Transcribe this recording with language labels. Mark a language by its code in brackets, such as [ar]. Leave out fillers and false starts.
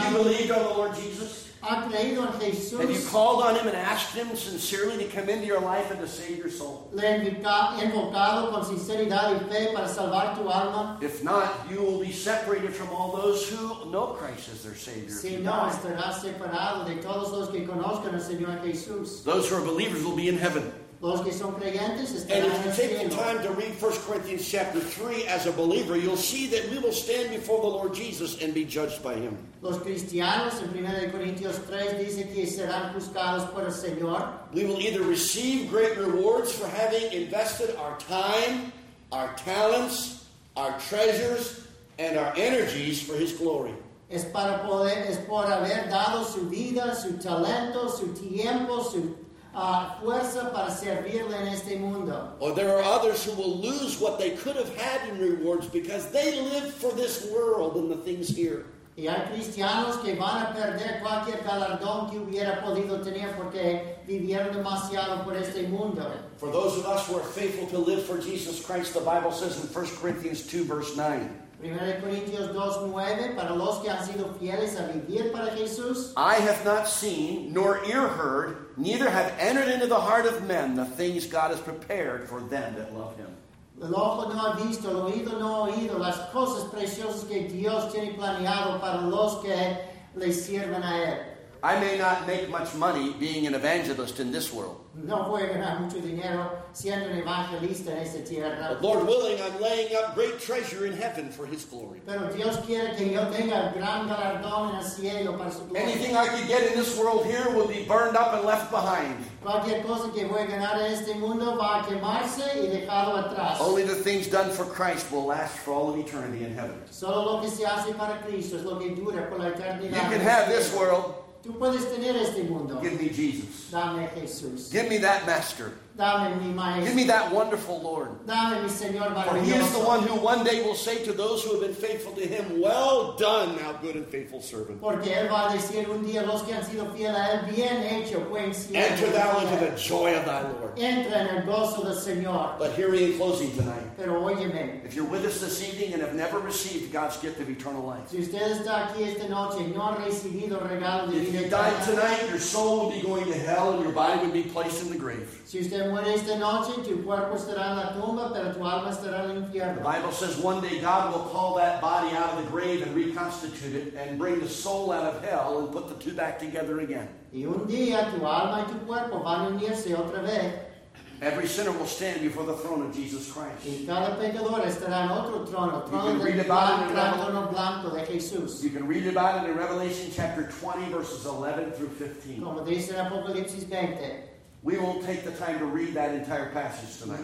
[en] Have you believed on the Lord Jesus? [es] ¿Ha creído en Jesús? [en] Have you called on him and asked him sincerely to come into your life and to save your soul? [es] ¿Le invocado con sinceridad y fe para salvar tu alma? [en] If not, you will be separated from all those who know Christ as their Savior. [es] Si no, estarás separado de todos los que conozcan al Señor Jesús. [en] Those who are believers will be in heaven. [es] Los que son creyentes están en el cielo. [en] And if you take the time to read 1 Corinthians chapter 3 as a believer, you'll see that we will stand before the Lord Jesus and be judged by him. [es] Los cristianos en 1 Corintios 3 dice que serán juzgados por el Señor. [en] We will either receive great rewards for having invested our time, our talents, our treasures, and our energies for his glory. [es] Es para poder, es por haber dado su vida, su talento, su tiempo, su fuerza para servirle en este mundo. [en] Or there are others who will lose what they could have had in rewards because they live for this world and the things here. [es] Y hay cristianos que van a perder cualquier galardón que hubiera podido tener porque vivieron demasiado por este mundo. [en] For those of us who are faithful to live for Jesus Christ, the Bible says in 1 Corinthians 2 verse 9. [es] 1 Corintios 2, 9, para los que han sido fieles a vivir para Jesús. [en] I have not seen, nor ear heard, neither have entered into the heart of men the things God has prepared for them that love him. [es] El ojo no ha visto, el oído no ha oído, las cosas preciosas que Dios tiene planeado para los que le sirven a él. [en] I may not make much money being an evangelist in this world. [es] No voy a ganar mucho dinero siendo un evangelista en esta tierra. [en] But Lord willing, I'm laying up great treasure in heaven for his glory. [es] Pero Dios quiere que yo tenga gran galardón en el cielo para su gloria. [en] Anything I could get in this world here will be burned up and left behind. [es] Cualquier cosa que voy a ganar en este mundo va a quemarse y dejarlo atrás. [en] Only the things done for Christ will last for all of eternity in heaven. [es] Solo lo que se hace para Cristo es lo que dura por la eternidad. [en] You can have this world. [es] Tú puedes tener este mundo. [en] Give me Jesus. [es] Dame Jesús. [en] Give me that master. [es] Dame mi maestro. [en] Give me that wonderful Lord. [es] Dame mi Señor maravilloso. [en] For he is the one who one day will say to those who have been faithful to him, well done, thou good and faithful servant. [es] Porque él va a decir un día, los que han sido fieles a él, bien hecho, buen siervo. [en] Enter thou into the joy of thy Lord. [es] Entra en el gozo del Señor. [en] But hear me in closing tonight. [es] Pero óyeme. [en] If you're with us this evening and have never received God's gift of eternal life. [es] Si usted está aquí esta noche y no ha recibido el regalo de vida. [en] If you died tonight, your soul would be going to hell and your body would be placed in the grave. [es] Si usted muere esta noche, tu cuerpo estará en la tumba, pero tu alma estará en el infierno. [en] The Bible says one day God will call that body out of the grave and reconstitute it and bring the soul out of hell and put the two back together again. [es] Y un día tu alma y tu cuerpo van a unirse otra vez. [en] Every sinner will stand before the throne of Jesus Christ. [es] Y cada pecador estará en otro trono, trono [en] you can read about it in [es] trono blanco de Jesús. [en] You can read about it in Revelation chapter 20, verses 11 through 15. [es] Como dice en Apocalipsis 20. [en] We won't take the time to read that entire passage tonight.